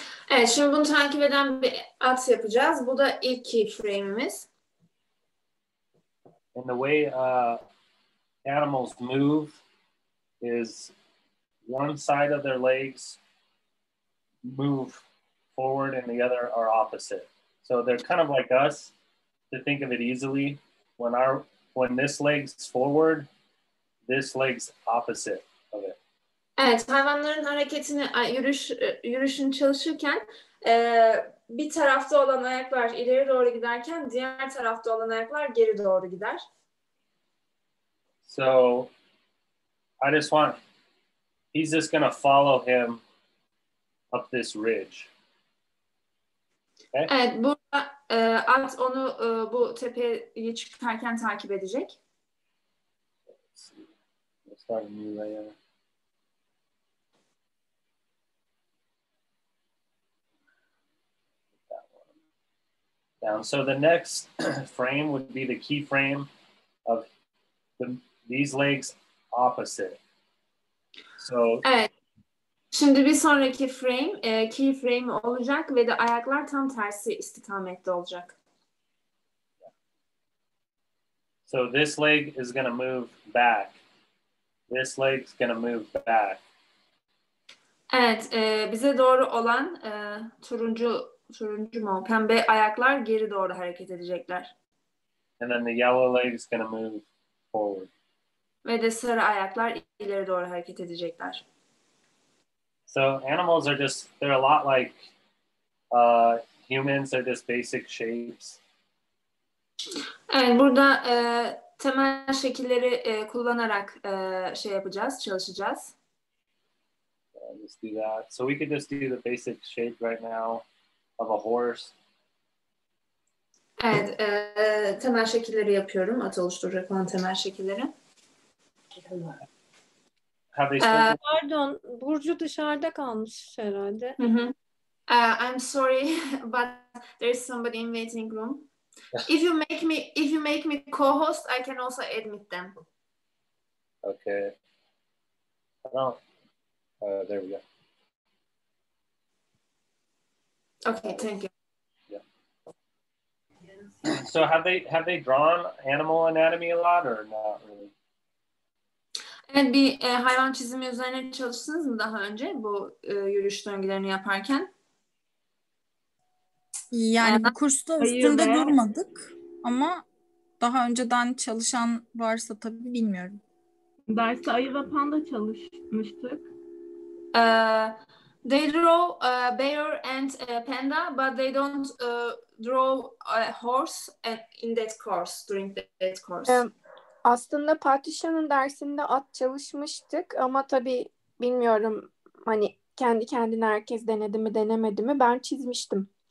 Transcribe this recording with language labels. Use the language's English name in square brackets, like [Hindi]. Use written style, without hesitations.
[Turkish] Evet, şimdi bunu takip eden bir at yapacağız. Bu da ilk keyframe'imiz. [English] And the way animals move is one side of their legs move forward and the other are opposite. So they're kind of like us, to think of it easily. When this leg's forward, this leg's opposite of it. [Turkish] Evet, hayvanların hareketini, yürüyüşünü çalışırken bir tarafta olan ayaklar ileri doğru giderken diğer tarafta olan ayaklar geri doğru gider. [English] So, I just want, he's just going to follow him up this ridge. Okay? [Turkish] Evet, burada at onu bu tepeye çıkarken takip edecek. [English] Let's start a new layer. Down. So the next frame would be the keyframe of these legs opposite. So [Turkish] evet. Şimdi bir sonraki frame keyframe olacak ve de ayaklar tam tersi istikamette olacak. [English] So this leg is going to move back. This leg's going to move back. [Turkish] Evet, bize doğru olan turuncu mu? Pembe ayaklar geri doğru hareket edecekler. [English] And then the yellow leg is going to move forward. [Turkish] Ve de sarı ayaklar ileri doğru hareket edecekler. [English] So animals are just, they're a lot like humans, they're just basic shapes. [Turkish] Evet, burada temel şekilleri kullanarak şey yapacağız, çalışacağız. [English] So, Let's do that. So we could just do the basic shape right now of a horse. [Turkish] Evet, temel şekilleri yapıyorum. At oluşturacak olan temel şekilleri. Pardon, Burcu dışarıda kalmış herhalde. [English] I'm sorry, but there's somebody in waiting room. If you make me co-host, I can also admit them. Okay. There we go. Okay, thank you. So have they drawn animal anatomy a lot or not really? [Turkish] Evet, bir hayvan çizimi üzerine çalıştınız mı daha önce bu yürüyüş döngülerini yaparken? Yani bu kursta üstünde durmadık ama daha önceden çalışan varsa tabii bilmiyorum. Derste ayı ve panda çalışmıştık. [English] They draw bear and panda, but they don't draw a horse in that course, during that course. [Turkish] Aslında Patricia'nın dersinde at çalışmıştık ama tabii bilmiyorum hani kendi kendine herkes denedi mi denemedi mi, ben çizmiştim.